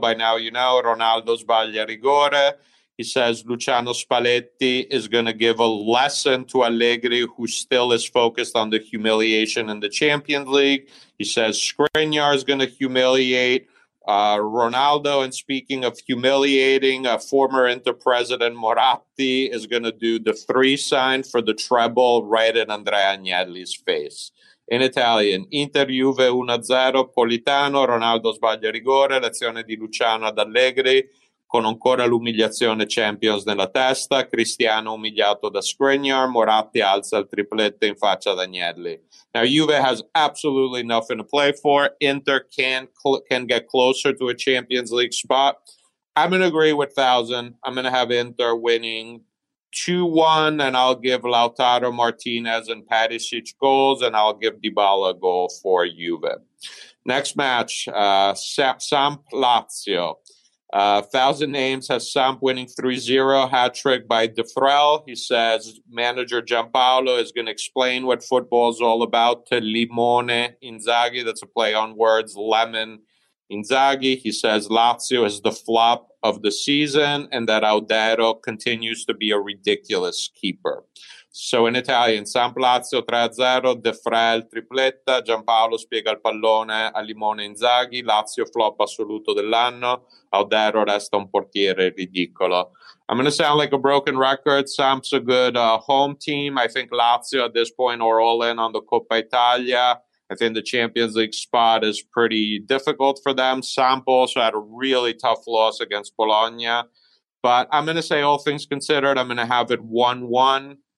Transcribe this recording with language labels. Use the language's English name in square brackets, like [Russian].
[English] By now, you know, [Italian] Ronaldo sbaglia rigore. [English] He says Luciano Spalletti is going to give a lesson to Allegri, who still is focused on the humiliation in the Champions League. He says Skriniar is going to humiliate Ronaldo. And speaking of humiliating, former Inter president Moratti is going to do the three sign for the treble right in Andrea Agnelli's face. In Italian, [Italian] Inter Juve 1-0, Politano, Ronaldo sbaglia rigore, l'azione di Luciano ad Allegri, con ancora l'umiliazione Champions nella testa, Cristiano umiliato da Skriniar, Moratti alza il tripletto in faccia ad Agnelli. [English] Now, Juve has absolutely nothing to play for. Inter can get closer to a Champions League spot. I'm going to agree with Thousand. I'm going to have Inter winning 2-1, and I'll give Lautaro Martinez and Perisic goals, and I'll give Dybala a goal for Juve. Next match, Samp Lazio. Thousand Names has Samp winning 3-0, hat-trick by De Frel. He says manager Giampaolo is going to explain what football is all about to Limone Inzaghi. That's a play on words, Lemon Inzaghi. He says Lazio is the flop of the season and that Audero continues to be a ridiculous keeper. So in Italian, [Italian] Samp Lazio 3-0, De Frel tripletta, Giampaolo spiega il pallone a Limone Inzaghi, Lazio flop assoluto dell'anno, Audero resta un portiere ridicolo. [English] I'm going to sound like a broken record. Samp's a good home team. I think Lazio at this point are all in on the Coppa Italia. I think the Champions League spot is pretty difficult for them. Samp also had a really tough loss against Bologna. But I'm going to say all things considered, I'm going to have it 1-1.